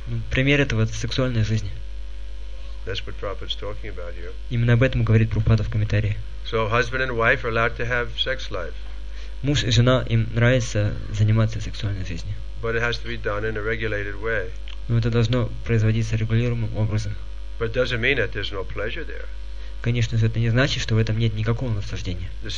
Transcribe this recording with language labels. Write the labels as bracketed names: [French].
[Russian] Пример этого это сексуальная жизнь. [English] That's what Prabhupada's talking about here. [Russian] Именно об этом говорит Прабхупада в комментарии. [English] So husband and wife are allowed to have sex life. [Russian] Муж и жена им нравится заниматься сексуальной жизнью. Но это должно производиться регулируемым образом. [English] No [Russian] конечно, это не значит, что в этом нет никакого наслаждения.